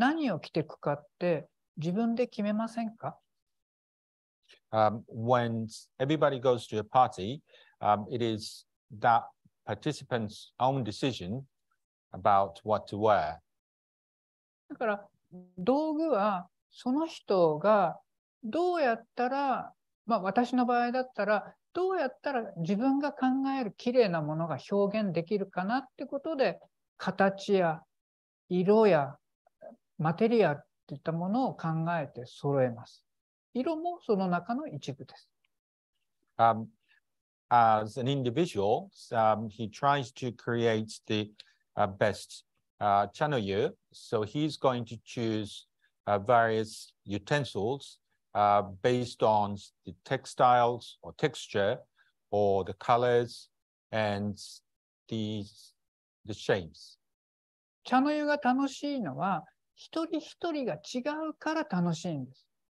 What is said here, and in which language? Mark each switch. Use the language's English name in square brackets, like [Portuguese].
[Japanese] 1つ目が道具合わせの時の色の配慮。で、2つ目は参加する者の着物の色。皆さん、パーティーに行く時にどうやって何を着ていくかって自分で決めませんか? [English] When everybody goes to a party, it is that participant's own decision about what to wear. [Japanese] だから 道具はその人がどうやったら、まあ私の場合だったら、どうやったら自分が考える綺麗なものが表現できるかなってことで、形や色やマテリアルっていったものを考えて揃えます。色もその中の一部です。 [English] As an individual, he tries to create the best chanoyu, so he's going to choose various utensils based on the textiles or texture or the colors and the shapes. [Japanese] 茶の湯が楽しいのは一人一人が違うから楽しいんです。